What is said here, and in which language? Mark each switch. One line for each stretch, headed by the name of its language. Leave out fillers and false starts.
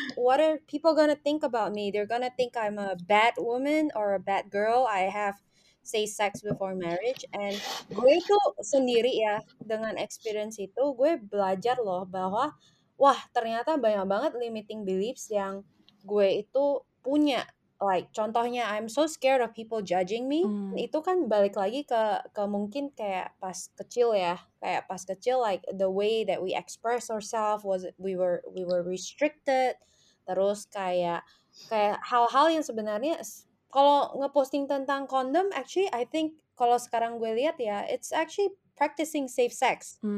English: What are people gonna think about me? They're gonna think I'm a bad woman or a bad girl. I have say sex before marriage.
Indonesian: And gue tuh sendiri ya, dengan experience itu, gue belajar loh bahwa, wah ternyata banyak banget
English: limiting beliefs
Indonesian: yang gue itu punya.
English: Like contohnya I'm so scared of people judging me.
Indonesian: Itu kan balik lagi ke mungkin kayak pas kecil
English: ya, kayak pas kecil like the way that we express ourselves was we were restricted.
Indonesian: Terus kayak hal-hal yang sebenarnya kalau ngeposting tentang kondom,
English: actually I think
Indonesian: kalau sekarang gue lihat ya,
English: it's actually practicing safe sex.